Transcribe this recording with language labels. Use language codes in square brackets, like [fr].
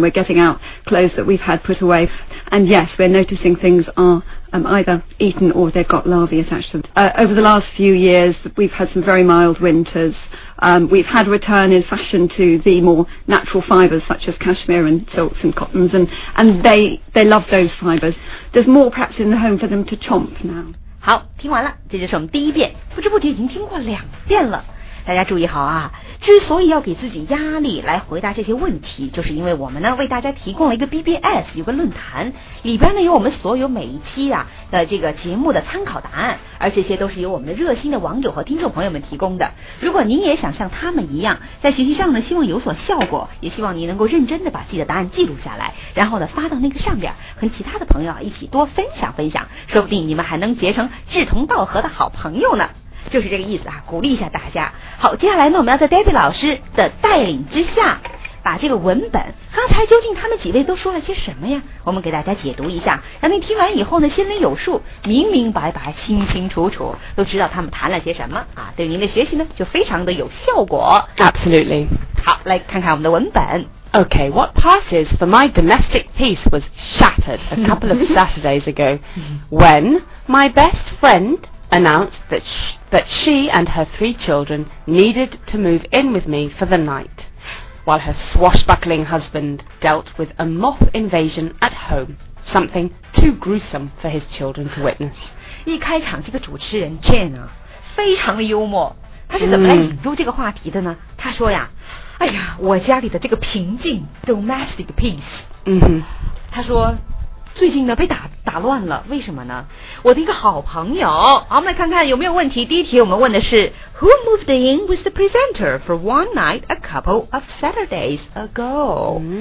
[en] We're getting out clothes that we've had put away. And yes, we're noticing things are either eaten or they've got larvae attached to them. Over the last few years, we've had some very mild winters. We've had a return in fashion to the more natural fibres, such as cashmere and silks and cottons. And they love those fibres. There's more perhaps in the home for them to chomp now. [zh] 好，听完了，这就是我们第一遍，不知不觉已经听过两遍了。大家注意好啊，之所以要给自己压力来回答这些问题，就是因为我们呢为大家提供了一个 BBS， 有个论坛，里边呢有我们所有每一期啊的这个节目的参考答案，而这些都是由我们的热心的网友和听众朋友们提供的。如果您也想像他们一样在学习上呢希望有所效果，也希望您能够认真的把自己的答案记录下来，然后呢发到那个上边，和其他的朋友啊一起多分享分享，说不定你们还能结成志同道合的好朋友呢，就是这个意思啊，鼓励一下大家。好，接下来呢我们要在 Debbie 老师的带领之下，把这个文本，刚才究竟他们几位都说了些什么呀，我们给大家解读一下，让您听完以后呢心里有数，明明白白，清清楚楚，都知道他们谈了些什么啊，对您的学习呢就非常的有效果。 [en] Absolutely. [zh] 好，来看看我们的文本。 [en] Okay, what passes for my domestic peace was shattered a couple of Saturdays ago when my best friend announced that she and her three children needed to move in with me for the night, while her swashbuckling husband dealt with a moth invasion at home, something too gruesome for his children to witness. [zh] 一开场这个主持人 Jane 啊非常的幽默，他是怎么来引入这个话题的呢？他说呀，哎呀，我家里的这个平静 domestic peace， 他说最近呢被打乱了，为什么呢？我的一个好朋友，好，我们来看看有没有问题。第一题我们问的是 [en] Who moved in with the presenter for one night a couple of Saturdays ago？